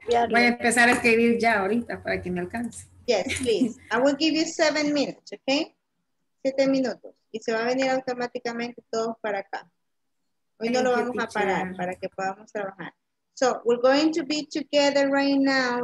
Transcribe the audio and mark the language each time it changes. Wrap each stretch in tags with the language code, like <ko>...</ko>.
<es>Voy a empezar a escribir ya ahorita para que me alcance.</es> <en>Yes, please. I will give you 7 minutes, okay?</en> <es>7 minutos. Y se va a venir automáticamente todos para acá. Hoy no lo vamos a parar para que podamos trabajar.</es> <en>So, we're going to be together right now.</en>